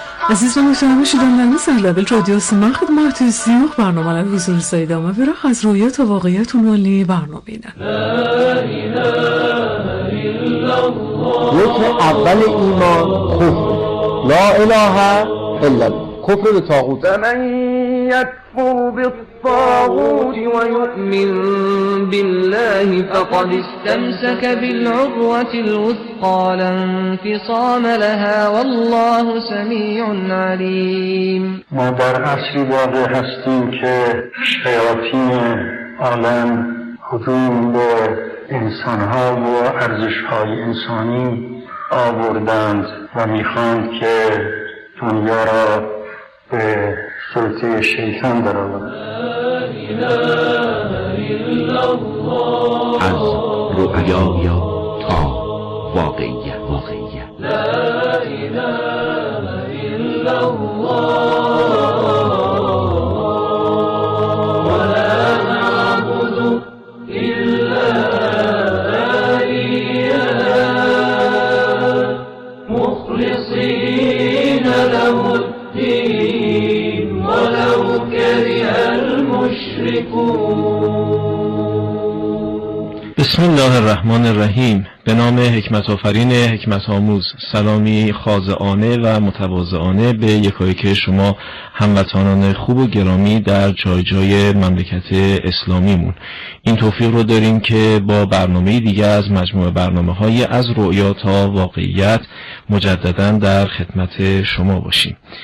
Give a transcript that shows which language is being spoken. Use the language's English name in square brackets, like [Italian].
[Persian] عزیز و محترم شنوندگان از لبل رادیو سیما، خدمت شما برنامه را حضور سعید آمد بره از رویا تا واقعیت اونوالی برنامه اینه. رکن اول ایمان کفر، [Arabic] لا اله الا الله، [Persian] کفر به طاغوت. [Arabic] من یکفر بالطاغوت و یؤمن بالله فقد استمسك بالعروة الوثقى لا انفصام لها والله سميع عليم. [Persian] ما در عصری واقعی هستیم که شیاطین عالم هجوم به انسانها و ارزشهای انسانی آوردند و میخواند که دنیا را به سلطه شیطان درآورند. از رؤیا تا واقعیت، واقعیت [Arabic] لا اله الا الله ولا نعبد الا اياه مخلصين له الدين ولو كره المشركون. بسم الله الرحمن الرحیم. [Persian] به نام حکمت آفرین حکمت آموز، سلامی خاضعانه و متواضعانه به یکایک شما هموطنان خوب و گرامی در جای جای مملکت اسلامیمون. این توفیق رو داریم که با برنامه دیگه از مجموعه برنامه های از رؤیا تا واقعیت مجدداً در خدمت شما باشیم.